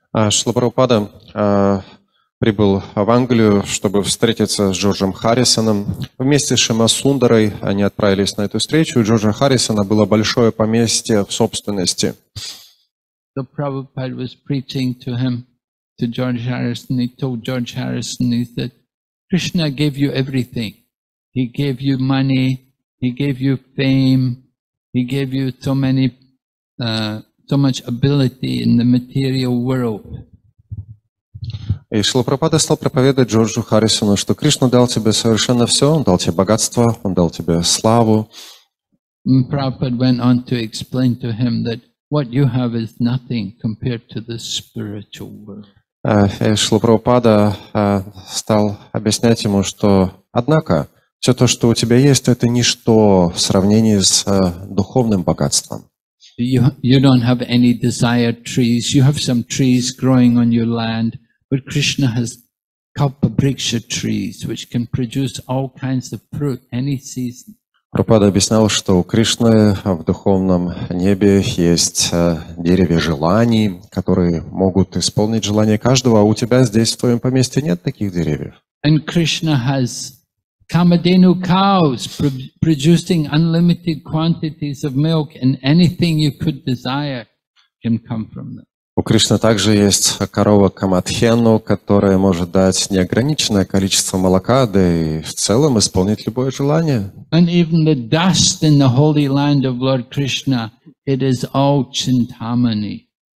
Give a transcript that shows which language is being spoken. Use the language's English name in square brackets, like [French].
[Russian] Шрила Прабхупада прибыл в Англию, чтобы встретиться с Джорджем Харрисоном. Вместе с Шамасундарой они отправились на эту встречу. У Джорджа Харрисона было большое поместье в собственности. [English] So Prabhupada was preaching to him, to George Harrison. He told George Harrison, he said, Krishna gave you everything. He gave you money, he gave you fame, he gave you so much ability in the material world. [Russian] И Шрила Прабхупада стал проповедовать Джорджу Харрисону, что Кришна дал тебе совершенно все, Он дал тебе богатство, Он дал тебе славу. [English] And Prabhupada went on to explain to him that what you have is nothing compared to the spiritual world. [Russian] Шрила Прабхупада стал объяснять ему, что однако, все то, что у тебя есть, это ничто в сравнении с духовным богатством. [English] You don't have any desired trees, you have some trees growing on your land. But Krishna has kalpa vriksha trees, which can produce all kinds of fruit any season. [Russian] Прабхупада объяснял, что у Кришны в духовном небе есть деревья желаний, которые могут исполнить желание каждого, а у тебя здесь в твоем поместье нет таких деревьев. [English] And Krishna has kamadenu cows producing unlimited quantities of milk, and anything you could desire can come from them. [Russian] У Кришны также есть корова Камадхену, которая может дать неограниченное количество молока, да и в целом исполнить любое желание. [English] And even the dust in the holy land of Lord Krishna, it is all chintamani.